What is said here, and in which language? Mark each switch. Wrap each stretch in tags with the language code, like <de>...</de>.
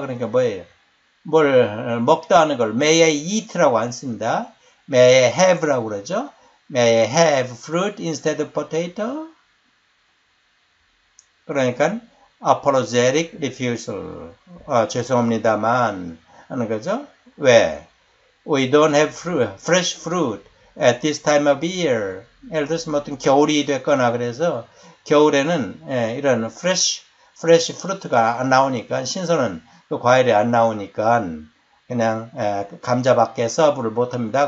<ko>그러니까 뭐예요? 뭘 먹다 하는 걸</ko> <en>may I eat</en> <ko>라고 안 씁니다.</ko> <en>May I have</en> <ko>라고 그러죠?</ko> <en>May I have fruit instead of potato?</en> <ko>그러니까,</ko> <en>Apologetic refusal.</en> <ko>죄송합니다만 하는 거죠. 왜?</ko> <en>We don't have fresh fruit at this time of year.</en> <ko>예를 들어서 뭐 어떤 겨울이 됐거나 그래서 겨울에는 이런</ko> <en>fresh fruit</en> <ko>가 안 나오니까 신선한 그 과일이 안 나오니까 그냥 감자밖에 서브를 못 합니다.</ko>